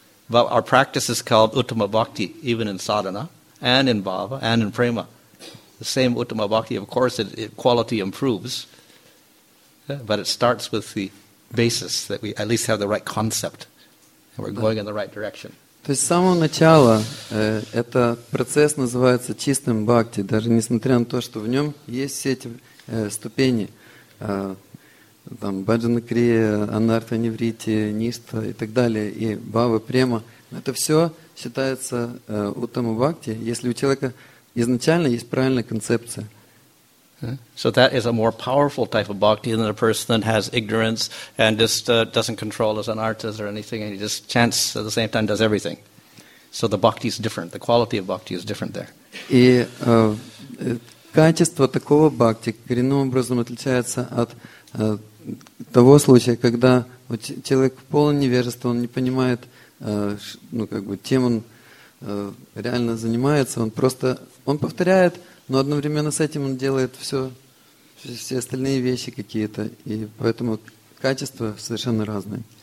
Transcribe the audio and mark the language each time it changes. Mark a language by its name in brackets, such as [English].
[English] But our practice is called uttama bhakti, even in sadhana, and in bhava, and in prema. The same uttama bhakti, of course, it quality improves. But it starts with the basis that we at least have the right concept, and we're going in the right direction. [Russian] То есть с самого начала этот процесс называется чистым бхакти, даже несмотря на то, что в нем есть все эти ступени, там баджана крия, анартха невритти, ништха и так далее, и бхава, према. Это все считается уттама бхакти, если у человека изначально есть правильная концепция. [English] So that is a more powerful type of bhakti than a person that has ignorance and just doesn't control his anarthas or anything, and he just chants at the same time, does everything. So the bhakti is different. The quality of bhakti is different there. [Russian] И качество такого бхакти коренным образом отличается от того случая, когда человек полон невежества, он не понимает, ну как бы, чем он реально занимается. Он просто он повторяет. Но одновременно с этим он делает все остальные вещи какие-то, и поэтому качества совершенно разные.